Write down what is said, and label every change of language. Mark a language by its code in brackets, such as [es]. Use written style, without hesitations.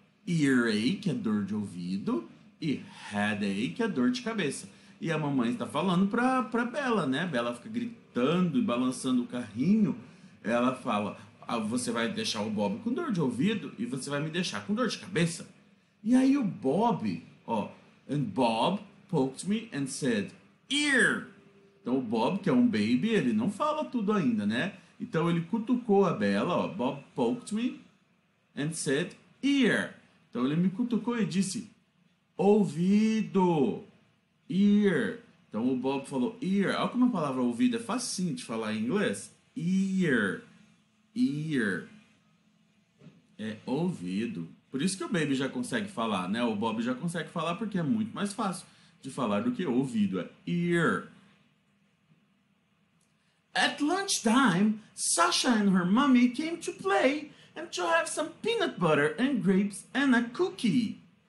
[pt] Earache, que é dor de ouvido, e headache, que é dor de cabeça. E a mamãe está falando para Bella, né? Bella fica gritando e balançando o carrinho. Ela fala: ah, você vai deixar o Bob com dor de ouvido e você vai me deixar com dor de cabeça. E aí o Bob, ó, [en] and Bob poked me and said, ear. [pt] Então o Bob, que é um baby, ele não fala tudo ainda, né? Então ele cutucou a Bella, ó, [en] Bob poked me and said, ear. [pt] Então ele me cutucou e disse, ouvido. Ear. Então o Bob falou ear. Olha como a palavra ouvido é facinho de falar em inglês. Ear. Ear. É ouvido. Por isso que o baby já consegue falar, né? O Bob já consegue falar porque é muito mais fácil de falar do que ouvido. É ear. [en] At lunchtime, Sasha and her mommy came to play and to have some peanut butter and grapes and a cookie.